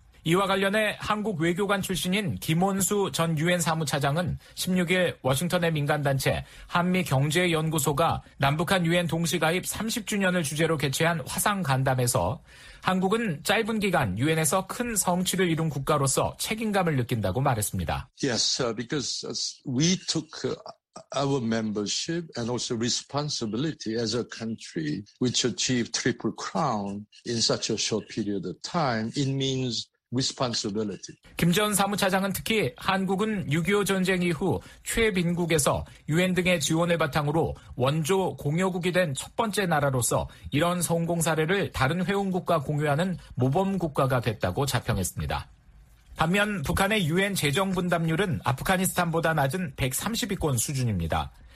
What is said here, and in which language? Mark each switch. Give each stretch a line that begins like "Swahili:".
Korean: 이와 관련해 한국 외교관 출신인 김원수 전 유엔 사무차장은 16일 워싱턴의 민간단체 한미경제연구소가 남북한 유엔 동시가입 30주년을 주제로 개최한 화상간담에서 한국은 짧은 기간 유엔에서 큰 성취를 이룬 국가로서 책임감을 느낀다고 말했습니다.
English: Yes, because we took our membership and also responsibility as a country which achieved triple crown in such a short period of time, it means responsibility.
Korean: 김 전 사무차장은 특히 한국은 6.25 전쟁 이후 최빈국에서 유엔 등의 지원을 바탕으로 원조 공여국이 된 첫 번째 나라로서 이런 성공 사례를 다른 회원국과 공유하는 모범 국가가 됐다고 자평했습니다. 반면 북한의 유엔 재정 분담률은 아프가니스탄보다 낮은 130위권 수준입니다.